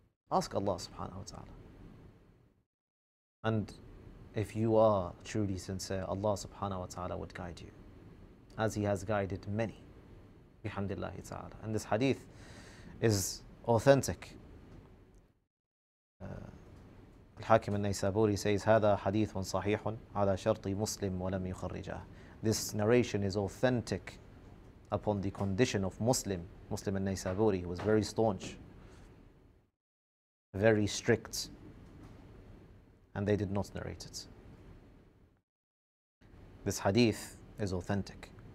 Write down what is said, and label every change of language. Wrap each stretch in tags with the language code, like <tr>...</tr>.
<en>Ask Allah subhanahu wa ta'ala. And if you are truly sincere, Allah subhanahu wa ta'ala would guide you, as He has guided many. Alhamdulillah ta'ala. And this hadith is authentic. Al-Hakim al-Naysaburi says,</en> <ar>هذا حديث صحيح على شرط مسلم ولم يخرجه.</ar> <en>This narration is authentic upon the condition of Muslim al-Naysaburi, who was very staunch, very strict, and they did not narrate it. This hadith is authentic.</en>